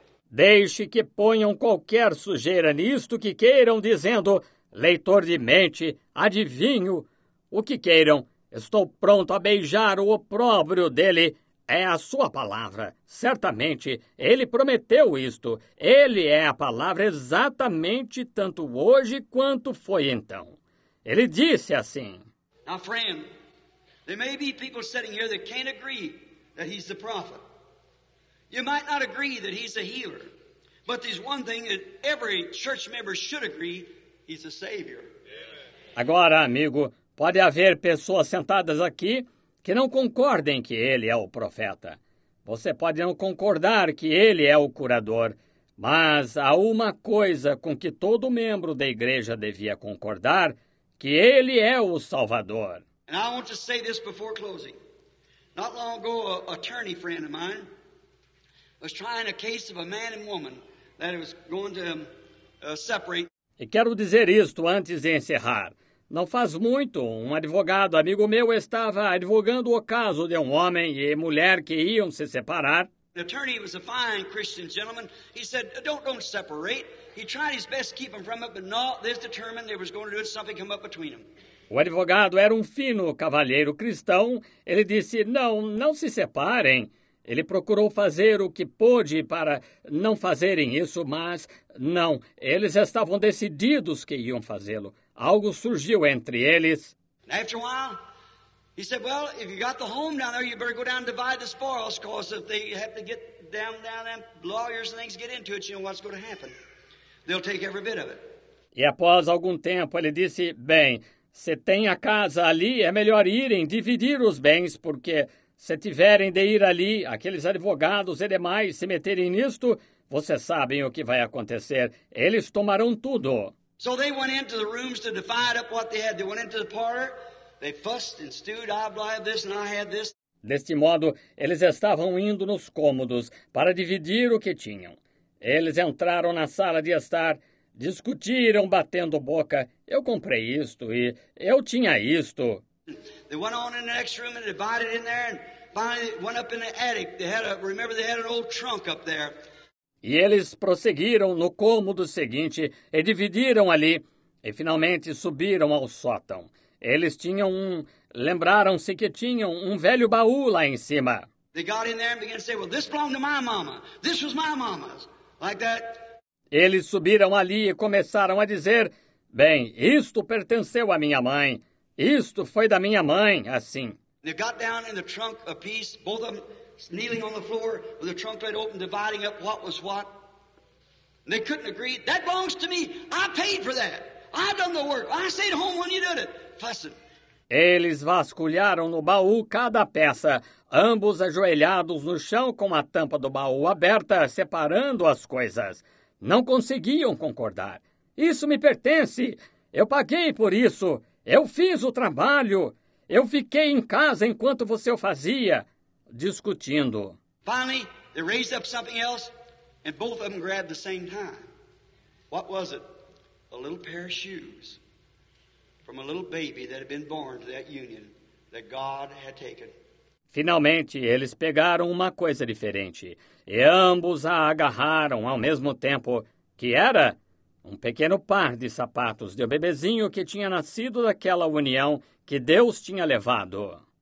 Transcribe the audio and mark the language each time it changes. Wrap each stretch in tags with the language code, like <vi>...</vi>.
<pt>Deixe que ponham qualquer sujeira nisto que queiram, dizendo, leitor de mente, adivinho, o que queiram, estou pronto a beijar o opróbrio dele. É a sua palavra. Certamente, ele prometeu isto. Ele é a palavra exatamente tanto hoje quanto foi então. Ele disse assim.</pt> <en>Now, friend, there may be people sitting here that can't agree that he's the prophet. You might not agree that he's a healer. But there's one thing that every church member should agree, he's a savior.</en> <pt>Agora, amigo, pode haver pessoas sentadas aqui que não concordem que ele é o profeta. Você pode não concordar que ele é o curador, mas há uma coisa com que todo membro da igreja devia concordar, que ele é o Salvador.</pt> <en>And I want to say this before closing. Not long ago, an attorney friend of mine was trying a case of a man and woman that was going to separate.</en> <pt>E quero dizer isto antes de encerrar. Não faz muito, um advogado amigo meu estava advogando o caso de um homem e mulher que iam se separar.</pt> <en>The attorney was a fine Christian gentleman. He said, don't separate. He tried his best to keep him from it, but not this determined they was going to do it, something come up between them.</en> <pt>O advogado era um fino cavalheiro cristão. Ele disse, não, não se separem. Ele procurou fazer o que pôde para não fazerem isso, mas não. Eles estavam decididos que iam fazê-lo. Algo surgiu entre eles.</pt> <en>After a while, he said, well, if you got the home down there, you better go down and divide the spoils, because if they have to get down and lawyers and things get into it, you know what's going to happen. They'll take every bit of it.</en> <pt>E após algum tempo, ele disse, bem, se tem a casa ali, é melhor irem dividir os bens, porque se tiverem de ir ali, aqueles advogados e demais se meterem nisto, vocês sabem o que vai acontecer. Eles tomarão tudo.</pt> <en>So they went into the rooms to divide up what they had. They went into the parlor. They fussed and stewed. I had this and I had this.</en> <pt>Deste modo, eles estavam indo nos cômodos para dividir o que tinham. Eles entraram na sala de estar, discutiram batendo boca. Eu comprei isto e eu tinha isto.</pt> <en>They went on in the next room and divided in there and finally went up in the attic. They had an old trunk up there.</en> <pt>E eles prosseguiram no cômodo seguinte e dividiram ali e finalmente subiram ao sótão. Eles tinham lembraram-se que tinham um velho baú lá em cima.</pt> <en>They got in there and began to say, well, this belonged to my mama. This was my mama's. Like that.</en> <pt>Eles subiram ali e começaram a dizer, bem, isto pertenceu à minha mãe. Isto foi da minha mãe, assim.</pt> <en>They got down in the trunk a piece, both of them kneeling on the floor with the trunk laid open, dividing up what was what. And they couldn't agree. That belongs to me. I paid for that. I done the work. I stayed home when you did it. Fussing.</en> <pt>Eles vasculharam no baú cada peça, ambos ajoelhados no chão com a tampa do baú aberta, separando as coisas. Não conseguiam concordar. Isso me pertence. Eu paguei por isso. Eu fiz o trabalho. Eu fiquei em casa enquanto você o fazia. Discutindo.</pt> <en>Finally, they raised up something else, and both of them grabbed the same time. What was it? A little pair of shoes from a little baby that had been born to that union that God had taken.</en> <pt>Finalmente, eles pegaram uma coisa diferente, e ambos a agarraram ao mesmo tempo, que era um pequeno par de sapatos de um bebezinho que tinha nascido daquela união que Deus tinha levado.</pt>